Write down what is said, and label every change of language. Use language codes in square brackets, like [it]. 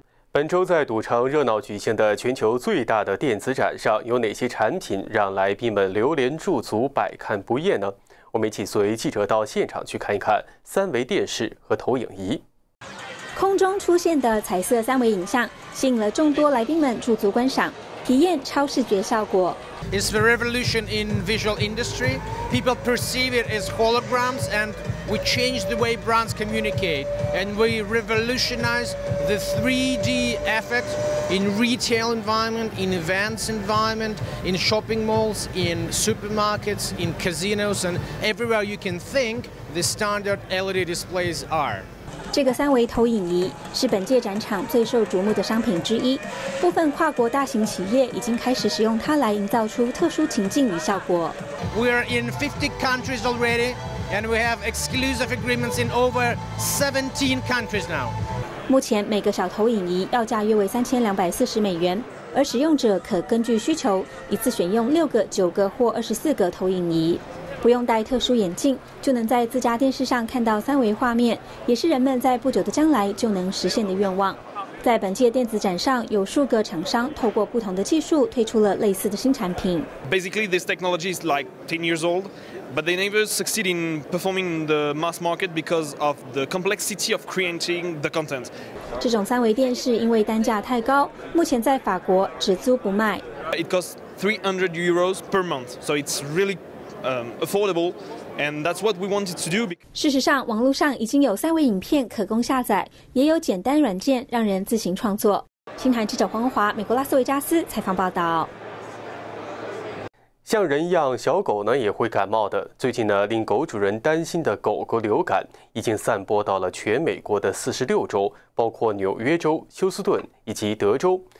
[zh] 本周在赌城热闹举行的全球最大的电子展上，有哪些产品让来宾们流连驻足、百看不厌呢？我们一起随记者到现场去看一看三维电视和投影仪。空中出现的彩色三维影像吸引了众多来宾们驻足观赏，体验超视觉效果。 [en] It's the revolution in visual industry. People perceive it as holograms and we change the way brands communicate. And we revolutionize the 3D effect in retail environment, in events environment, in shopping malls, in supermarkets, in casinos, and everywhere you can think the standard LED displays are. [zh] 这个三维投影仪是本届展场最受瞩目的商品之一，部分跨国大型企业已经开始使用它来营造出特殊情境与效果。 [en] We are in 50 countries already and we have exclusive agreements in over 17 countries now。 [zh] 目前每个小投影仪要价约为$3,240，而使用者可根据需求一次选用6个、9个或24个投影仪，不用戴特殊眼镜就能在自家电视上看到三维画面，也是人们在不久的将来就能实现的愿望。在本届电子展上，有数个厂商透过不同的技术推出了类似的新产品。 [en] Basically this technology is like 10 years old but they never succeed in performing the mass market because of the complexity of creating the content。 [zh] 这种三维电视因为单价太高，目前在法国只租不卖。 [en] It costs €300 per month so it's reallyaffordable, and that's what we wanted to do. [zh] 事实上，网络上已经有三维影片可供下载，也有简单软件让人自行创作。新台记者黄文华，美国拉斯维加斯采访报道。像人一样，小狗呢也会感冒的。最近呢，令狗主人担心的狗狗流感已经散播到了全美国的46州，包括纽约州、休斯顿以及德州。